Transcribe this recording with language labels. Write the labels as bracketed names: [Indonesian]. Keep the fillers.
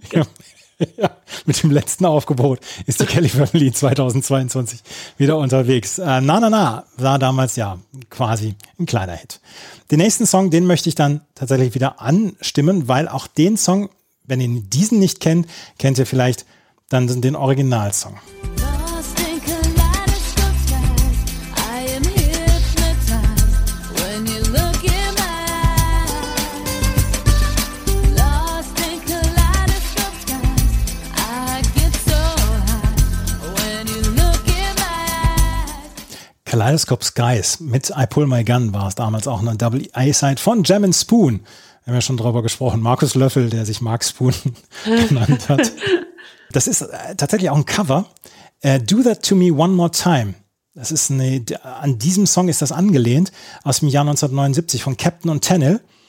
[German] ja, ja, mit dem letzten Aufgebot ist die Kelly Family 2022 wieder unterwegs. Äh, na, na, na, war damals ja quasi ein kleiner Hit. Den nächsten Song, den möchte ich dann tatsächlich wieder anstimmen, weil auch den Song, wenn ihr diesen nicht kennt, kennt ihr vielleicht dann den Originalsong. [English] Lost in kaleidoscope skies, I am hypnotized when you look in my eyes. Lost in kaleidoscope skies, I get so high when you look in my eyes. [German] Kaleidoscope Skies mit I Pull My Gun war es damals auch eine Double A-Side von Jam and Spoon. Wir haben ja schon drüber gesprochen. Markus Löffel, der sich Mark Spoon genannt hat. Das ist äh, tatsächlich auch ein Cover. Äh, Do That To Me One More Time. Das ist eine, d- an diesem Song ist das angelehnt aus dem Jahr 1979 von Captain und Tennille.